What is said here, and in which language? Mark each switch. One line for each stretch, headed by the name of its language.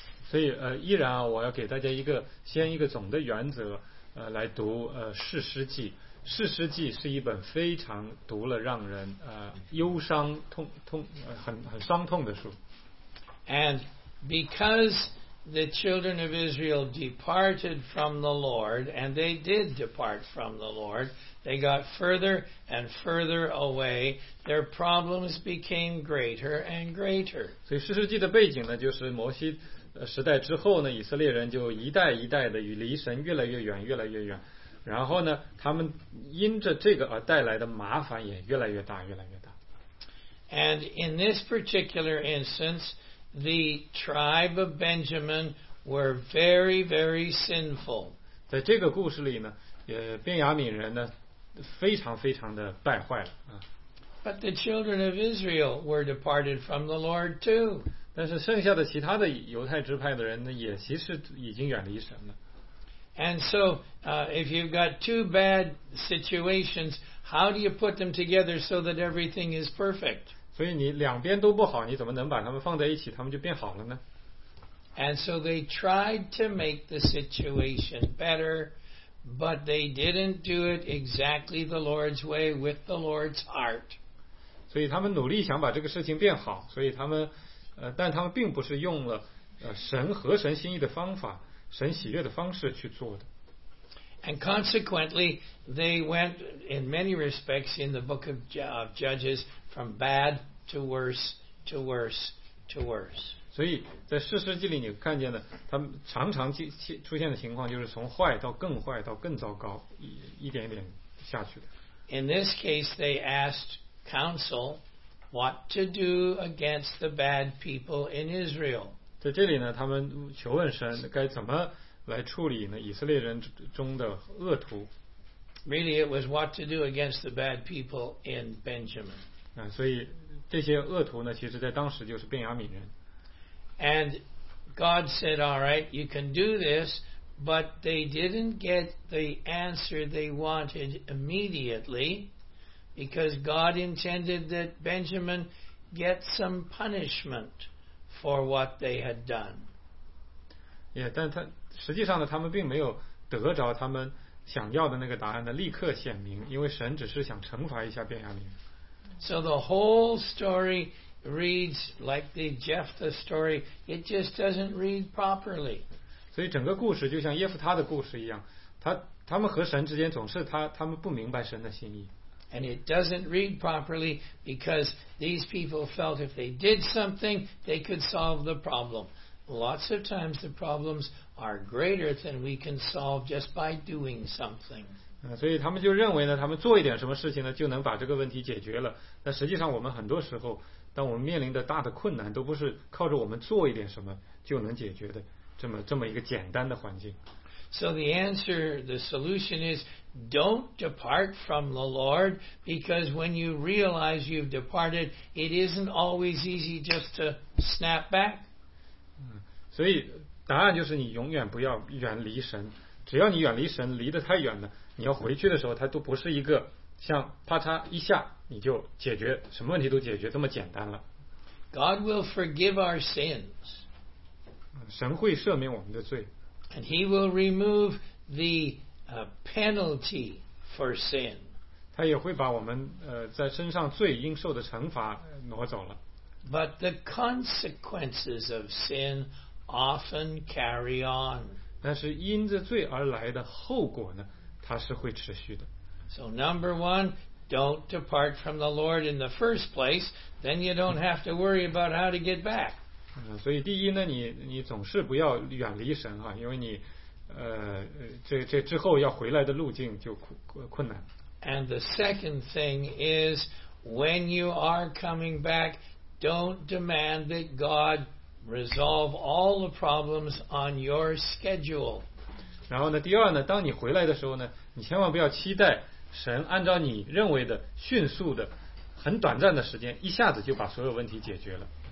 Chinese: 所以依然我要给大家先一个总的原则来读士师记。士师记是一本非常读了让人忧伤很伤痛的书。
English: And because the children of Israel departed from the Lord, and they did depart from the Lord, they got further and further away, their problems became greater and greater.
Chinese: 所以士师记的背景呢，就是摩西时代之后呢，以色列人就一代一代的离神越来越远，越来越远，然后呢，他们因着这个而带来的麻烦也越来越大，越来越大。
English: And in this particular instance,The tribe of Benjamin were very, very sinful.
Chinese: 在这个故事里呢，便雅悯人呢，非常非常的败坏了啊。
English: But the children of Israel were departed from the Lord too.
Chinese: 但是剩下的其他的犹太支派的人呢，也其实已经远离神了。
English: And so, if you've got two bad situations, how do you put them together so that everything is perfect?
Chinese: 所以你两边都不好，你怎么能把他们放在一起，他们就变好了呢？
English: And so they tried to make the situation better, but they didn't do it exactly the Lord's way with the Lord's heart.
Chinese: 所以他们努力想把这个事情变好，所以他们但他们并不是用了神合神心意的方法，神喜悦的方式去做的。
English: And consequently, they went in many respects in the book of Judges from bad to worse to worse to worse.
Chinese: 所以在士师记里你看见的，他们常常出现的情况就是从坏到更坏到更糟糕，一点一点下去的。
English: In this case, they asked counsel what to do against the bad people in Israel.
Chinese: 在这里呢，他们求问神该怎么来处理呢以色列人中的恶徒。
English: Really, it was what to do against the bad people in Benjamin.
Chinese: 所以这些恶徒呢，其实在当时就是便雅悯人。
English: And God said, "All right, you can do this, But they didn't get the answer they wanted immediately because God intended that Benjamin get some punishment for what they had done.
Chinese: Yeah, 但他实际上呢，他们并没有得着他们想要的那个答案的立刻显明，因为神只是想惩罚一下便雅悯。
English: So the whole story reads like the Jephthah story. It just doesn't read properly.
Chinese: 所以整个故事就像耶夫他的故事一样，他们和神之间总是他们不明白神的心意。
English: And it doesn't read properly because these people felt if they did something, they could solve the problem. Lots of times the problems are greater than we can solve just by doing something.
Chinese: 所以他们就认为呢，他们做一点什么事情呢，就能把这个问题解决了。那实际上我们很多时候，当我们面临的大的困难，都不是靠着我们做一点什么就能解决的，这么一个简单的环境。
English: So the answer, the solution is, don't depart from the Lord, because when you realize you've departed, it isn't always easy just to snap back.
Chinese: 所以答案就是你永远不要远离神，只要你远离神，离得太远了，你要回去的时候，它都不是一个像啪嚓一下你就解决，什么问题都解决这么简单了。
English: God will forgive our sins.
Chinese: 神会赦免我们的罪。
English: And he will remove the penalty for sin.
Chinese: 他也会把我们在身上罪应受的惩罚挪走了。
English: But the consequences of sin often carry on.
Chinese: 但是因着罪而来的后果呢，它是会持续的。
English: So number one, don't depart from the Lord in the first place. Then you don't have to worry about how to get back.
Chinese: 所以第一呢，你总是不要远离神哈，因为你这之后要回来的路径就困难。
English: And the second thing is, when you are coming back, don't demand that God resolve all the problems on your schedule.
Chinese: 然后呢，第二呢，当你回来的时候呢，你千万不要期待神按照你认为的迅速的、很短暂的时间一下子就把所有问题解决了。